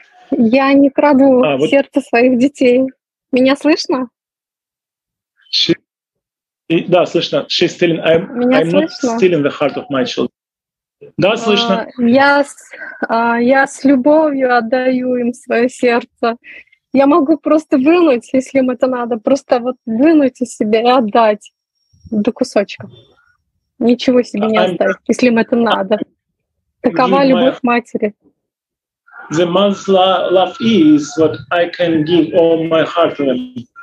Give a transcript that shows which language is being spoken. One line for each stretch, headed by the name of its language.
Russian: Я не краду сердце своих детей. Меня слышно? Да, слышно.
English: She's stealing. I'm not stealing the heart of my children.
Russian: Да, слышно. Я с любовью отдаю им свое сердце. Я могу просто вынуть, если им это надо, просто вот вынуть из себя и отдать до кусочка. Ничего себе не отдать, если им это надо. Такова любовь матери.
English: The mother's love is what I can give all my heart to them.